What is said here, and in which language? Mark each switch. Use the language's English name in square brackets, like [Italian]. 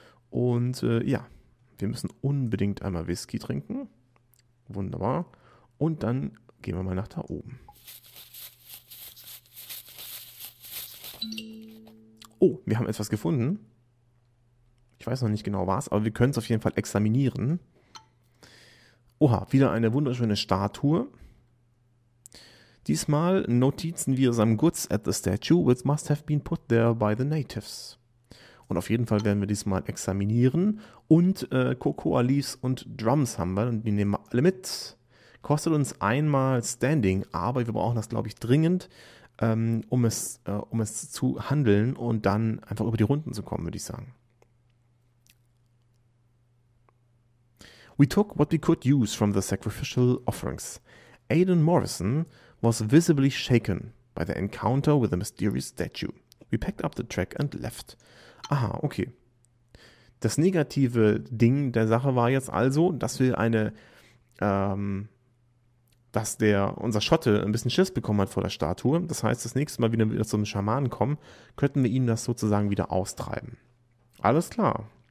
[German] Und ja, wir müssen unbedingt einmal Whisky trinken. Wunderbar. Und dann gehen wir mal nach da oben. Oh, wir haben etwas gefunden. Ich weiß noch nicht genau was, aber wir können es auf jeden Fall examinieren. Oha, wieder eine wunderschöne Statue. Diesmal Notizen wir [English] some goods at the statue, which must have been put there by the natives. [German] Und auf jeden Fall werden wir diesmal examinieren. Und Cocoa Leaves und Drums haben wir. Und die nehmen wir alle mit. Kostet uns einmal Standing, aber wir brauchen das, glaube ich, dringend, um es zu handeln und dann einfach über die Runden zu kommen, würde ich sagen. [English] We took what we could use from the sacrificial offerings. Aiden Morrison was visibly shaken by the encounter with the mysterious statue. We packed up the track and left. [German] Aha, okay. Das negative Ding der Sache war jetzt also, dass wir unser Schotte ein bisschen Schiss bekommen hat vor der Statue. Das heißt, das nächste Mal, wenn wir wieder zum Schamanen kommen, könnten wir ihm das sozusagen wieder austreiben. Alles klar.